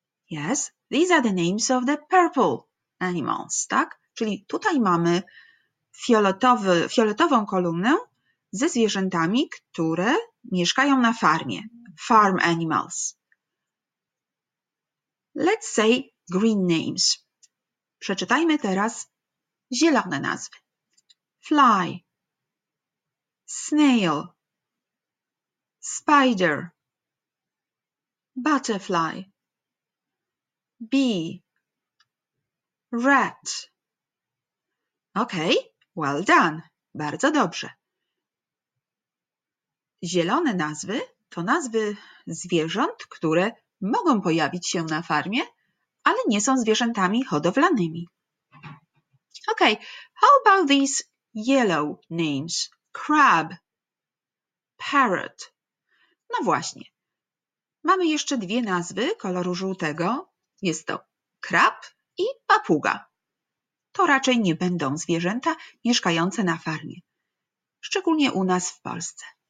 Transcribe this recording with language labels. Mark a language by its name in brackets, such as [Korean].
[English] Yes, these are the names of the purple animals, [Polish] tak? Czyli tutaj mamy fioletową kolumnę ze zwierzętami, które mieszkają na farmie. [English] Farm animals. Let's say green names. [Polish] Przeczytajmy teraz zielone nazwy. [English] Fly, snail, spider, butterfly, bee, rat. Okay, well done. [Polish] Bardzo dobrze. Zielone nazwy to nazwy zwierząt, które mogą pojawić się na farmie, ale nie są zwierzętami hodowlanymi. [English] Okay, how about these yellow names? Crab, parrot. [Polish] No właśnie. Mamy jeszcze dwie nazwy koloru żółtego. Jest to krab i papuga. To raczej nie będą zwierzęta mieszkające na farmie, szczególnie u nas w Polsce.